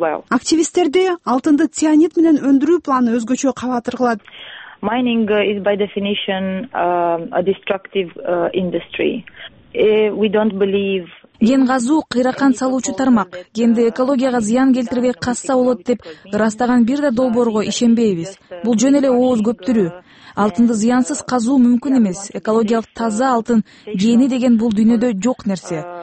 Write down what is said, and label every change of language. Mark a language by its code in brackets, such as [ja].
[ky] Активисттерде алтынды цианид менен өндүрүү планы өзгөчө кабатыр кылат. [en] Mining is by definition a destructive industry. We don't believe [ky] ген казуу кыйракан салуучу тармак, генди экологияга зыян келтирбей касса болот деп ырастаган бир да долбоорго ишенбейбиз. Бул жөн эле ооз көптүрүү. Алтынды зыянсыз казуу мүмкүн эмес. Экологиялык таза алтын гени деген бул дүйнөдө жок нерсе.